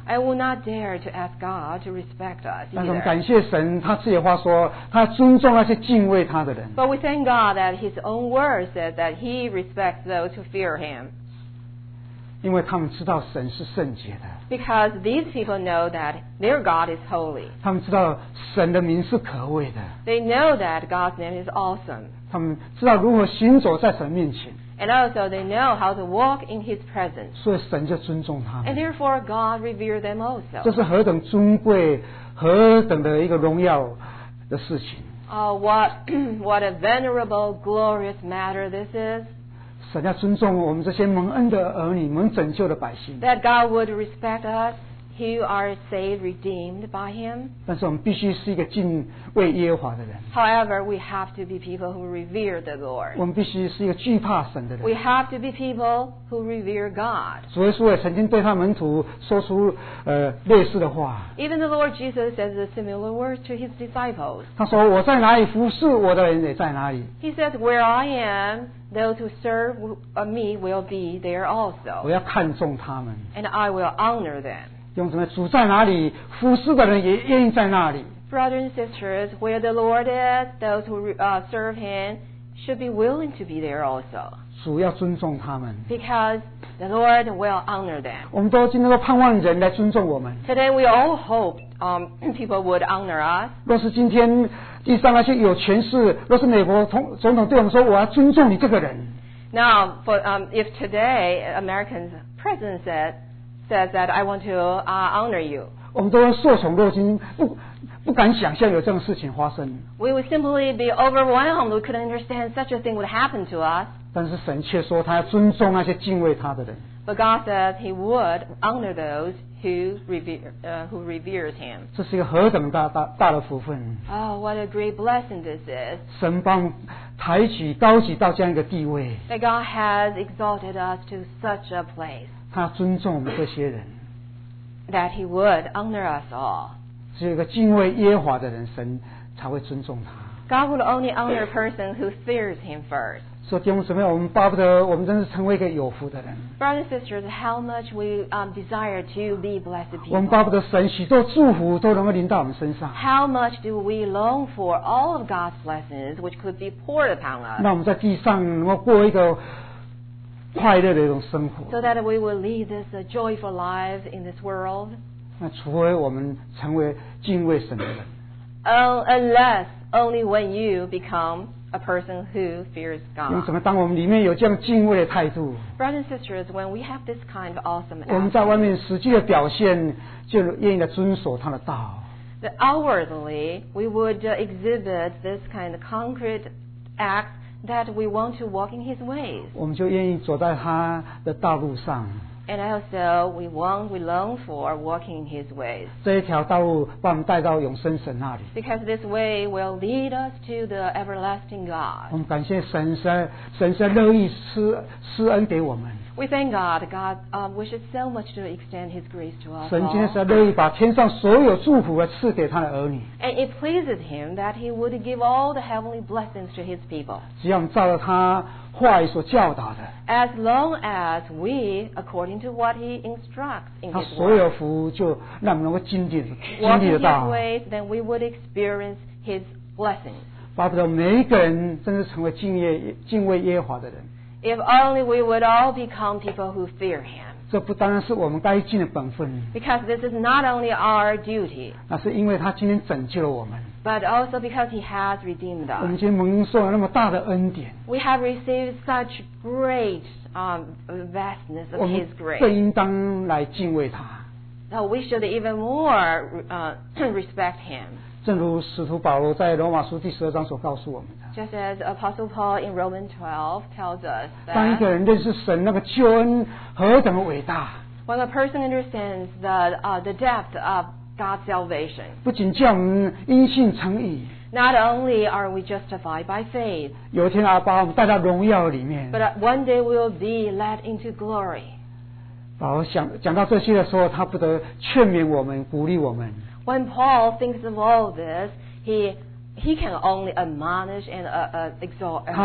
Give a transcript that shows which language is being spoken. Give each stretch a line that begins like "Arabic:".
English: I will not dare to ask God to respect us either.
Chinese: 但是我们感谢神，他自己话说，他尊重那些敬畏他的人。
English: But we thank God that his own word says that he respects those who fear him.
Chinese: 因为他们知道神是圣洁的。
English: Because these people know that their God is holy.
Chinese: 他们知道神的名是可畏的。
English: They know that God's name is awesome.
Chinese: 他们知道如何行走在神面前。
English: And also they know how to walk in his presence.
Chinese: 所以神就尊重他们。
English: And therefore God revered them also.
Chinese: 这是何等尊贵，何等的一个荣耀的事情。
English: Oh, what a venerable, glorious matter this is.
Chinese: 神要尊重我们这些蒙恩的儿女，蒙拯救的百姓。
English: That God would respect us who are saved, redeemed by him.
Chinese: 但是我们必须是一个敬畏耶和华的人。
English: However, we have to be people who revere the Lord.
Chinese: 我们必须是一个惧怕神的人。
English: We have to be people who revere God.
Chinese: 主耶稣也曾经对他门徒说出类似的话。
English: Even the Lord Jesus says a similar word to his disciples.
Chinese: 他说我在哪里服侍我的人也在哪里。
English: He says, where I am, those who serve me will be there also.
Chinese: 我要看重他们。
English: And I will honor them.
Chinese: 用什么主在哪里服侍的人也愿意在那里。
English: Brothers and sisters, where the Lord is, those who serve him should be willing to be there also.
Chinese: 主要尊重他们。
English: Because the Lord will honor them.
Chinese: 我们都今天都盼望人来尊重我们。
English: Today we all hope people would honor us.
Chinese: 若是今天地上那些有权势，若是美国总统对我们说我要尊重你这个人。
English: Now, if today American president says that I want to honor you.
Chinese: 我们都会受宠若惊，不敢想象有这种事情发生。
English: We would simply be overwhelmed. We couldn't understand such a thing would happen to us.
Chinese: 但是神却说他要尊重那些敬畏他的人。
English: But God says he would honor those who reveres him.
Chinese: 这是一个何等大的福分。
English: Oh, what a great blessing this is.
Chinese: 神帮抬举高举到这样一个地位。
English: That God has exalted us to such a place.
Chinese: 他尊重我们这些人。
English: That he would honor us all.
Chinese: 只有一个敬畏耶和华的人，神才会尊重他。
English: God would only honor a person who fears him first.
Chinese: 所以弟兄姊妹，我们巴不得我们真是成为一个有福的人。
English: Brothers and sisters, how much we desire to be blessed people.
Chinese: 我们巴不得神许多祝福都能够临到我们身上。
English: How much do we long for all of God's blessings which could be poured upon us?
Chinese: 那我们在地上能够过一个快乐的一种生活。
English: So that we will lead this joyful lives in this world.
Chinese: 那除非我们成为敬畏神的人。
English: Unless only when you become a person who fears God.
Chinese: 因为什么？当我们里面有这样敬畏的态度。
English: Brothers and sisters, when we have this kind of awesome attitude.
Chinese: 我们在外面实际的表现，就愿意的遵守他的道。
English: But outwardly, we would exhibit this kind of concrete act. That we want to walk in his ways.
Chinese: 我们就愿意走在他的道路上。
English: And also we long for walking in his ways.
Chinese: 这一条道路把我们带到永生神那里。
English: Because this way will lead us to the everlasting God.
Chinese: 我们感谢神，神是乐意施恩给我们。
English: We thank God. God wishes so much to extend his grace to us all.
Chinese: 神今天是乐意把天上所有祝福赐给他的儿女。
English: And it pleases him that he would give all the heavenly blessings to his people.
Chinese: 只要我们照着他话语所教导的。
English: As long as we, according to what he instructs in his word.
Chinese: 他所有福就让我们能够经历得到。
English: Walking his ways, then we would experience his blessings.
Chinese: 巴不得每一个人真是成为敬畏耶和华的人。
English: If only we would all become people who fear him.
Chinese: 这不单单是我们该尽的本分。
English: Because this is not only our duty.
Chinese: 那是因为他今天拯救了我们。
English: But also because he has redeemed us.
Chinese: 我们今天蒙受了那么大的恩典。
English: We have received such great vastness of his grace.
Chinese: 更应当来敬畏他。
English: So we should even more respect him.
Chinese: 正如使徒保罗在罗马书第十二章所告诉我们的。
English: Just as Apostle Paul in Romans 12 tells us that.
Chinese: 当一个人认识神那个救恩何等伟大。
English: When a person understands the depth of God's salvation.
Chinese: 不仅叫我们因信称义。
English: Not only are we justified by faith.
Chinese: 有一天啊，把我们带到荣耀里面。
English: But one day we'll be led into glory.
Chinese: 保罗讲到这些的时候，他不得劝勉我们，鼓励我们。
English: When Paul thinks of all of this, he can only admonish and exhort